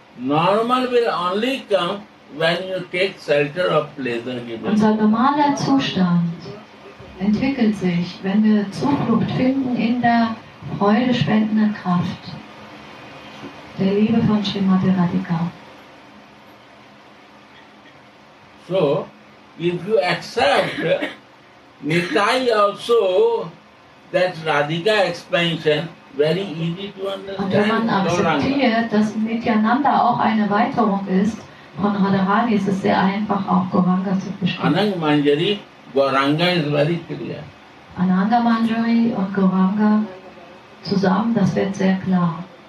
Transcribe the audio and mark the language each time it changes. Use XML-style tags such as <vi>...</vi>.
<en>Normal will only come when you take shelter of pleasure given.</en> <de>Unser normaler Zustand entwickelt sich, wenn wir Zuflucht finden in der freudespendenden Kraft der Liebe von Srimati Radhika.</de> <en>So, if you accept Nitai also, that Radhika expansion, very easy to understand.</en> <de>Und wenn man akzeptiert, dass Nityananda auch eine Erweiterung ist von Radharani, ist es sehr einfach, auch Gauranga zu verstehen.</de> <en>Anang Manjari, Gauranga is very clear.</en> <de>Ananda Manjari und Gauranga zusammen, das wird sehr klar.</de>